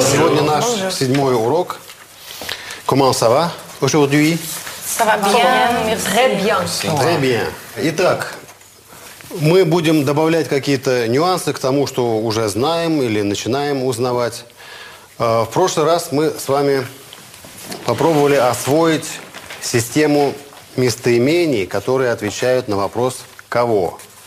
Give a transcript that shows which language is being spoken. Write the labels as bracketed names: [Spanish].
[Russian] Сегодня наш седьмой урок. [French] Comment ça va aujourd'hui? Ça va bien, très bien. Très bien. [Russian] Итак, мы будем добавлять какие-то нюансы к тому, что уже знаем или начинаем узнавать. В прошлый раз мы с вами попробовали освоить систему местоимений, которые отвечают на вопрос «кого?».